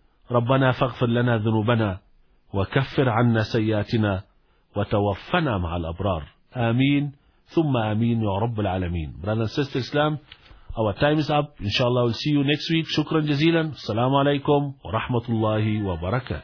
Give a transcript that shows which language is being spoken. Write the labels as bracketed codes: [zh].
[ar] ربنا فاغفر لنا ذنوبنا وكفر عنا سيئاتنا وتوفنا مع الأبرار آمين ثم آمين يا رب العالمين. [en] Brother and sister Islam, our time is up. Inshallah, we'll see you next week. [ar] شكرا جزيلا. السلام عليكم ورحمة الله وبركاته.